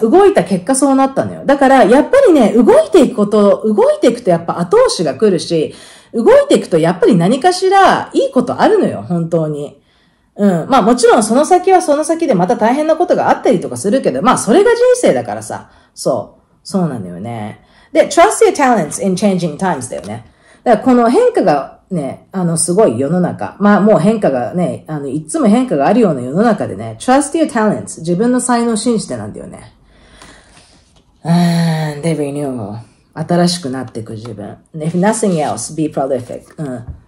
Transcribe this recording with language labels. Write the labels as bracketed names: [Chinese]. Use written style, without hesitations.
[Japanese] 動いた結果そうなったのよ。だから、やっぱりね、動いていくとやっぱ後押しが来るし、動いていくとやっぱり何かしらいいことあるのよ、本当に。うん。まあもちろんその先はその先でまた大変なことがあったりとかするけど、まあそれが人生だからさ。そう。そうなんだよね。で、 [English] trust your talents in changing times [Japanese] だよね。だからこの変化がね、すごい世の中。まあもう変化がね、いつも変化があるような世の中でね、 [English] trust your talents [Japanese] 自分の才能信じてなんだよね。で、renewal 新しくなっていく自分。 [English] If nothing else, be prolific. [Japanese] うん。